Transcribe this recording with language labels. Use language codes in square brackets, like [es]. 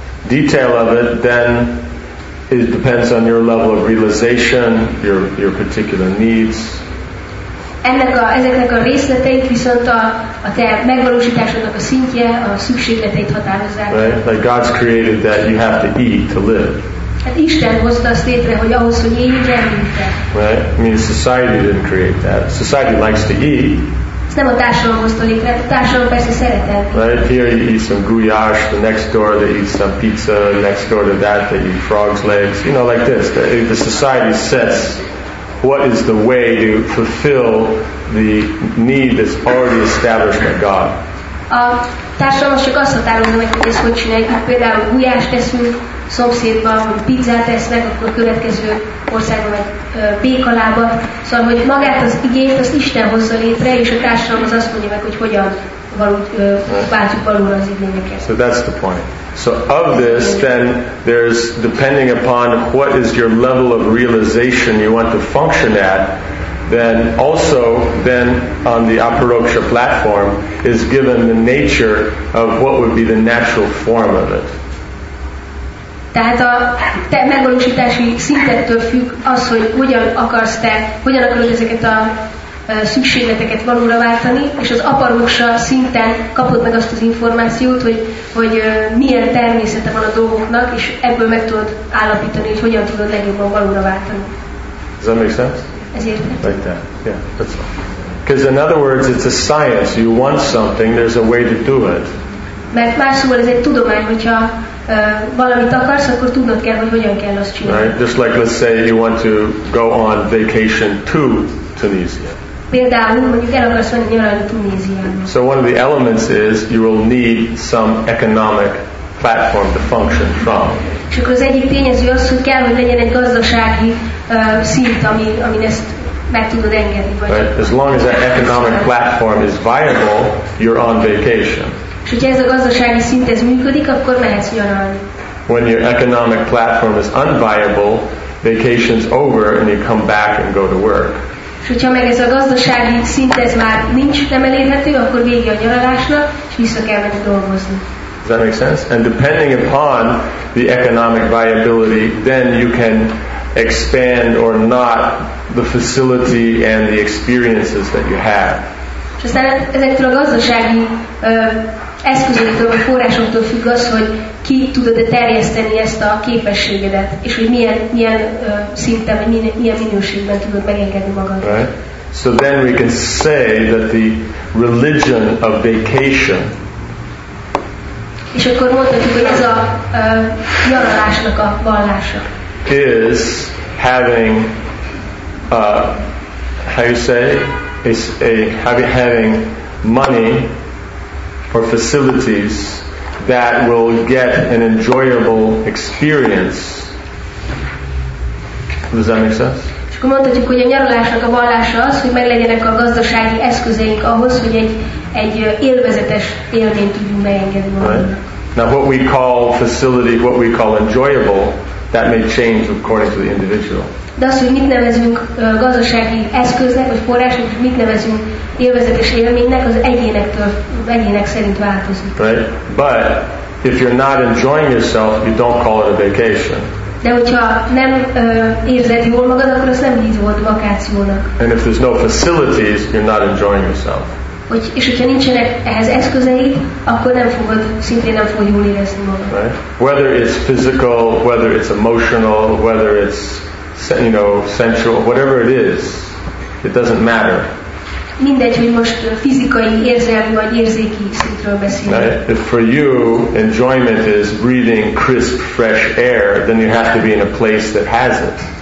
[en] Detail of it, then it depends on your level of realization, your particular needs. [hu] Ezeknek a részleteit viszont a te megvalósításodnak a szintje, a szükségleteit határozza. [en] Right? Like God's created that you have to eat to live. [hu] Hát Isten hozta azt létre, hogy ahhoz, hogy éljünk, kell. [en] Right? I mean, society didn't create that. Society likes to eat. [hu] Ez nem a társadalom hozta létre, a társadalom persze szeret enni. [en] Right? Here you eat some goulash, the next door they eat some pizza, the next door to that they eat frog's legs. You know, like this. The society sets what is the way to fulfill the need that's already established by God. [hu] A társadalom csak azt határozza meg, hogy ezt hogy csináljuk. Hát például gulyást teszünk szomszédban, hogy pizzát esznek, akkor következő országban meg békalába. Szóval, hogy magát az igényt, azt Isten hozza létre, és a társadalom az azt mondja meg, hogy hogyan váltjuk valóra az igényeket. [en] So that's the point. So of this, then, there's, depending upon what is your level of realization you want to function at, then also, then, on the aparoksha platform, is given the nature of what would be the natural form of it. [hu] Tehát a te megvalósítási szintettől függ az, hogy hogyan akarod ezeket a szükségleteket valóra váltani, és az aparoksa szinten kapod meg azt az információt, hogy milyen természete van a dolgoknak, és ebből meg tudod állapítani, hogy hogyan tudod legjobban valóra váltani. [en] Does that make sense? [hu] Ez értett. [en] Like that. Yeah, that's all. Because in other words, it's a science. You want something, there's a way to do it. [hu] Mert más szóval ez egy tudomány, hogyha valamit akarsz, akkor tudnod kell, hogy hogyan kell azt csinálni. [en] Right? Just like, let's say you want to go on vacation to Tunisia. [hu] Például, mondjuk el akarsz venni nyaralni Tunéziába. [en] So one of the elements is you will need some economic platform to function from. [hu] És akkor az egyik tényező az, hogy kell, hogy legyen egy gazdasági szint, amin ezt meg tudod engedni. Vagy. [en] Right? As long as that economic platform is viable, you're on vacation. [hu] És hogyha ez a gazdasági szint ez működik, akkor mehetsz nyaralni. [en] When your economic platform is unviable, vacation's over and you come back and go to work. [hu] És hogyha meg ez a gazdasági szint ez már nincs, nem elérhető, akkor vége a nyaralásnak, és vissza kell menni dolgozni. [en] Does that make sense? And depending upon the economic viability, then you can expand or not the facility and the experiences that you have. [hu] És aztán ezektől a gazdasági eszközöktől, vagy forrásoktól függ az, hogy ki tudod-e terjeszteni ezt a képességedet, és hogy milyen szinten, vagy milyen minőségben tudod megengedni magad. [en] Right. So then we can say that the religion of vacation. [hu] És akkor mondhatjuk, hogy ez a nyaralásnak a vallása. [en] Is having how you say is a having money or facilities that will get an enjoyable experience. Does that make sense? [hu] És akkor mondhatjuk, hogy a nyaralásnak a vallása az, hogy meglegyenek a gazdasági eszközeink ahhoz, hogy egy élvezetes élményt tudjunk megengedni magunknak. [en] Right. Now what we call facility, what we call enjoyable, that may change according to the individual. [hu] De az, hogy mit nevezünk gazdasági eszköznek, vagy forrásnak, hogy mit nevezünk élvezetes élménynek, az egyének szerint változik. [en] Right? But if you're not enjoying yourself, you don't call it a vacation. [hu] De hogyha nem érzed jól magad, akkor azt nem hívod vakációnak. [en] And if there's no facilities, you're not enjoying yourself. [hu] És hogyha nincsenek ehhez eszközeid, akkor nem fogod jól érezni magad. [en] Right? Whether it's physical, whether it's emotional, whether it's, you know, sensual, whatever it is, it doesn't matter. [hu] Mindegy, hogy most fizikai, érzelmi vagy érzéki szintről beszélünk. [en] Right? If for you enjoyment is breathing crisp, fresh air, then you have to be in a place that has it.